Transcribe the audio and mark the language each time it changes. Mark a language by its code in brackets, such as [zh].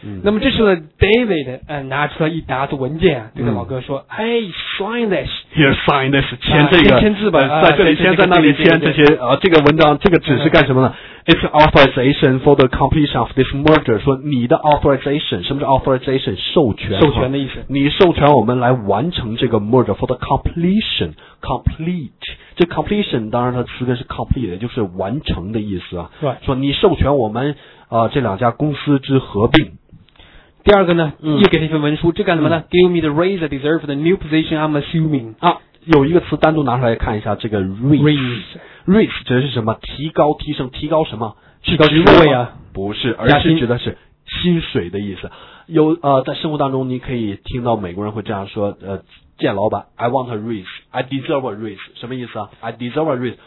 [zh] 那么这时候 David、拿出了一沓子文件，对着老哥说、 [en] Hey, sign this. Here, sign this. [zh] 签这个、签字吧、在这里签，在那里签，这些、这个文章，这个纸是干什么呢？ [en] It's authorization for the completion of this merger. [zh] 说你的 authorization, 什么是 authorization? 授权。授权的意思。你授权我们来完成这个 merger [en] for the completion. Complete. [zh] 这 completion 当然它词根是 complete, 就是完成的意思啊。对。说你授权我们、这两家公司之合并。第二个呢、又给他一份文书，这干什么呢、嗯、 [en] Give me the raise I deserve the new position I'm assuming. [zh] 啊，有一个词单独拿出来看一下，这个 raise。Raise 指的是什么？提高、提升、提高什么？提高职位啊？不是，而是指的是薪水的意思。有在生活当中你可以听到美国人会这样说，见老板 ， [en] I want a raise, I deserve a raise， [zh] 什么意思啊 ？ [en] I deserve a raise，